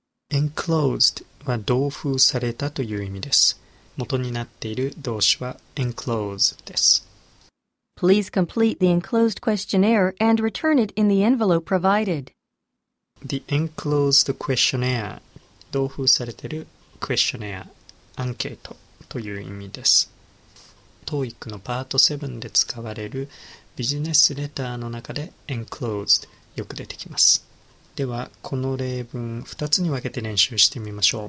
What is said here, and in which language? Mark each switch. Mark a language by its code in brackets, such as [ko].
[ja] Enclosed は同封されたという意味です。元になっている動詞は enclose です。 [en] Please complete the enclosed questionnaire and return it in the envelope provided. The enclosed questionnaire [ja] 同封されている questionnaire アンケートという意味です。 TOEIC のパート7で使われるビジネスレターの中で enclosed よく出てきます。ではこの例文2つに分けて練習してみましょう。